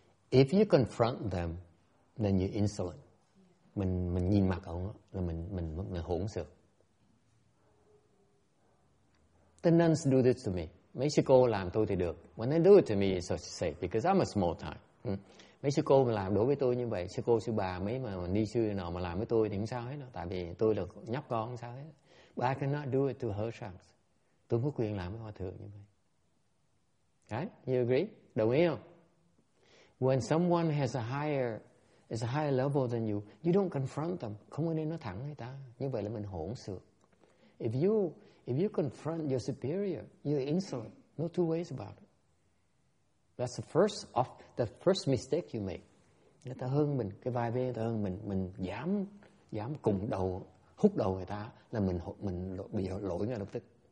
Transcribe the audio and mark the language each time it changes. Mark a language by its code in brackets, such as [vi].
[en] If you confront them, then you're insolent. [vi] Mình nhìn mặt ông là mình hỗn sự. [en] The nuns do this to me. [vi] Mấy sư cô làm tôi thì được. [en] When they do it to me, it's so safe because I'm a small time. [vi] Mấy sư cô mà làm đối với tôi như vậy, sư cô sư bà mấy mà ni sư nào mà làm với tôi thì không sao hết đâu. Tại vì tôi là nhóc con không sao hết. [en] But I cannot do it to her sons. [vi] Tôi không có quyền làm với hòa thượng như vậy. [en] Right? You agree? [vi] Đồng ý không? [en] When someone is a higher level than you, you don't confront them. [vi] Không nên nói thẳng người ta. Như vậy là mình hỗn sự. [en] If you confront your superior, you're insolent. No two ways about it. That's the first mistake you make. [vi] Người ta hơn mình, cái vai bên người ta hơn mình dám cùng đầu, húc đầu người ta là mình bị lỗi ngay lập tức.